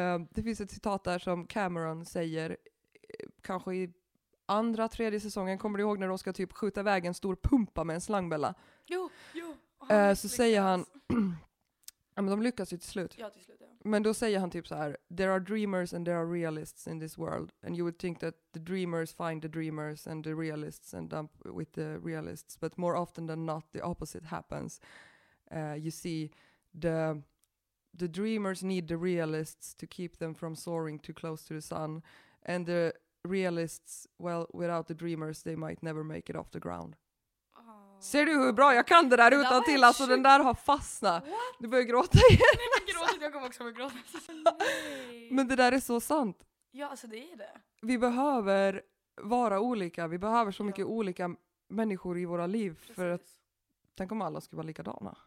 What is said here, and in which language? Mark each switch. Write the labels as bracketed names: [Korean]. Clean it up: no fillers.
[Swedish] Det finns ett citat där som Cameron säger, kanske i andra, tredje säsongen, kommer du ihåg när de ska typ skjuta iväg en stor pumpa med en slangbella? Jo. Så säger han, ja men de lyckas ju till slut. Ja, till slut, ja. Men då säger han typ så här: [English] there are dreamers and there are realists in this world. And you would think that the dreamers find the dreamers and the realists end up with the realists. But more often than not, the opposite happens. You see, the dreamers need the realists to keep them from soaring too close to the sun. And the realists, well, without the dreamers they might never make it off the ground. Oh. [Swedish] Ser du hur bra jag kan det där utan till? Alltså den där har fastnat. [English] What? [Swedish] Du börjar gråta igen. Nej, jag kommer också att gråta. Men det där är så sant. Ja, alltså det är det. Vi behöver vara olika. Vi behöver så mycket olika människor i våra liv. Precis. För att, tänk om alla skulle vara likadana.